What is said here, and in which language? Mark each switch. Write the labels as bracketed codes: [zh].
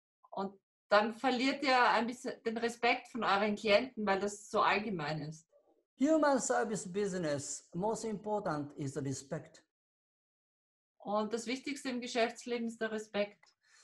[de] Und dann verliert ihr ein bisschen den Respekt von euren Klienten, weil das so allgemein ist. [en] Human service business, most important is the respect. [de] Und das Wichtigste im Geschäftsleben ist der Respekt.